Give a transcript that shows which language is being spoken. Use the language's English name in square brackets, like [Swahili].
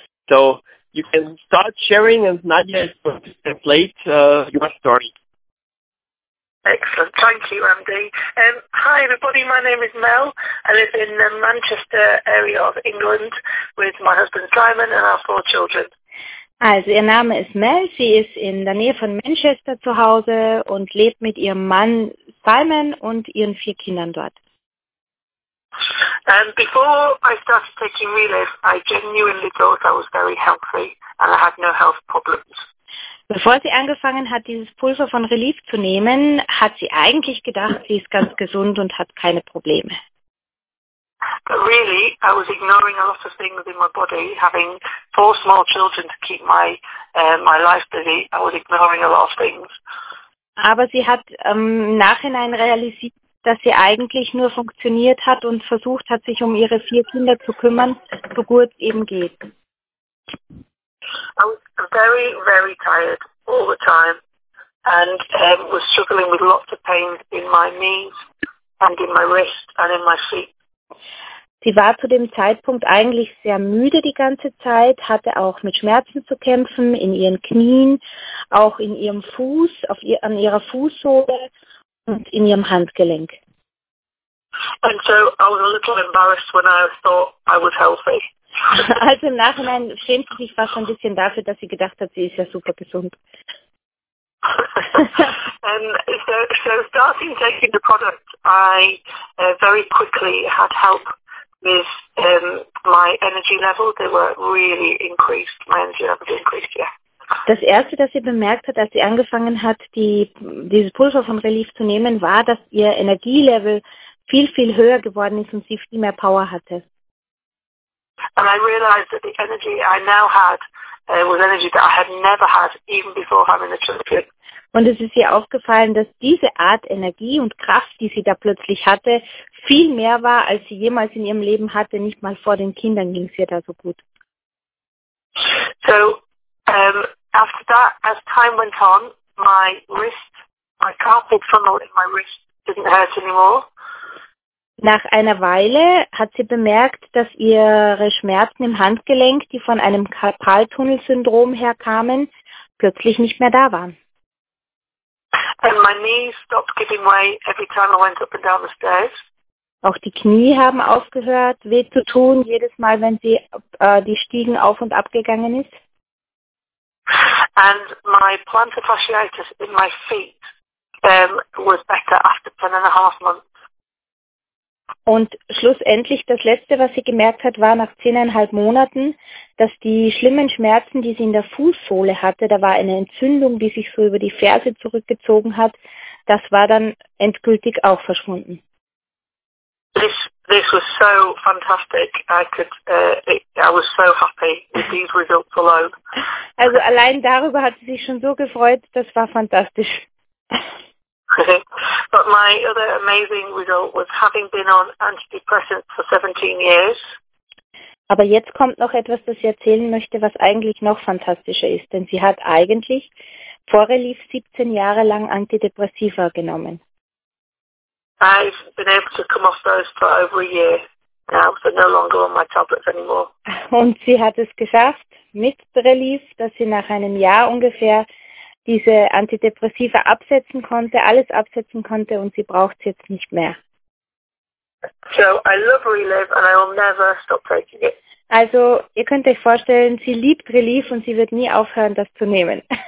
[English] So you can start sharing and Nadia is going to translate your story. Excellent. Thank you, Andy. Hi, everybody. My name is Mel. I live in the Manchester area of England with my husband Simon and our four children. [German] Also, ihr Name ist Mel. Sie ist in der Nähe von Manchester zu Hause und lebt mit ihrem Mann Simon und ihren vier Kindern dort. [English] Before I started taking Relief, I genuinely thought I was very healthy and I had no health problems. [German] Bevor sie angefangen hat, dieses Pulver von Relief zu nehmen, hat sie eigentlich gedacht, sie ist ganz gesund und hat keine Probleme. [English] But really, I was ignoring a lot of things in my body. Having four small children to keep my life busy, I was ignoring a lot of things. [German] Aber sie hat im Nachhinein realisiert, dass sie eigentlich nur funktioniert hat und versucht hat, sich um ihre vier Kinder zu kümmern, so gut es eben geht. [English] I was very, very tired all the time and was struggling with lots of pain in my knees and in my wrist and in my feet. [German] Sie war zu dem Zeitpunkt eigentlich sehr müde die ganze Zeit, hatte auch mit Schmerzen zu kämpfen in ihren Knien, auch in ihrem Fuß, an ihrer Fußsohle und in ihrem Handgelenk. [English] And so I was a little embarrassed when I thought I was healthy. [German] Also im Nachhinein schämt sie sich fast ein bisschen dafür, dass sie gedacht hat, sie ist ja super gesund. [English] So starting taking the product, I very quickly had help with my energy level. They were really increased. My energy level increased, yeah. [German] Das Erste, das sie bemerkt hat, als sie angefangen hat, dieses Pulver von Relief zu nehmen, war, dass ihr Energielevel viel, viel höher geworden ist und sie viel mehr Power hatte. [English] And I realized that the energy I now had was energy that I had never had even before having the children. [German] Und es ist ihr aufgefallen, dass diese Art Energie und Kraft, die sie da plötzlich hatte, viel mehr war, als sie jemals in ihrem Leben hatte. Nicht mal vor den Kindern ging es ihr da so gut. [English] So, after that, as time went on, my wrist, my carpal tunnel in my wrist didn't hurt anymore. [German] Nach einer Weile hat sie bemerkt, dass ihre Schmerzen im Handgelenk, die von einem Karpaltunnelsyndrom herkamen, plötzlich nicht mehr da waren. [English] And my knees stopped giving way every time I went up and down the stairs. [German] Auch die Knie haben aufgehört, weh zu tun, jedes Mal, wenn sie die Stiegen auf und ab gegangen ist. [English] And my plantar fasciitis in my feet was better after 10.5 months. [German] Und schlussendlich, das Letzte, was sie gemerkt hat, war nach 10.5 Monaten, dass die schlimmen Schmerzen, die sie in der Fußsohle hatte, da war eine Entzündung, die sich so über die Ferse zurückgezogen hat, das war dann endgültig auch verschwunden. [English] This was so fantastic. I was so happy with these results alone. [German] Also allein darüber hat sie sich schon so gefreut, das war fantastisch. [English] But my other amazing result was having been on antidepressants for 17 years. [German] Aber jetzt kommt noch etwas, das sie erzählen möchte, was eigentlich noch fantastischer ist, denn sie hat eigentlich vor Relief 17 Jahre lang Antidepressiva genommen. [English] I've been able to come off those for over a year. so no longer on my tablets anymore. [German] Und sie hat es geschafft mit Relief, dass sie nach einem Jahr ungefähr diese Antidepressiva absetzen konnte, alles absetzen konnte und sie braucht es jetzt nicht mehr. [English] So I love Relief and I will never stop taking it. [German] Also, ihr könnt euch vorstellen, sie liebt Relief und sie wird nie aufhören, das zu nehmen.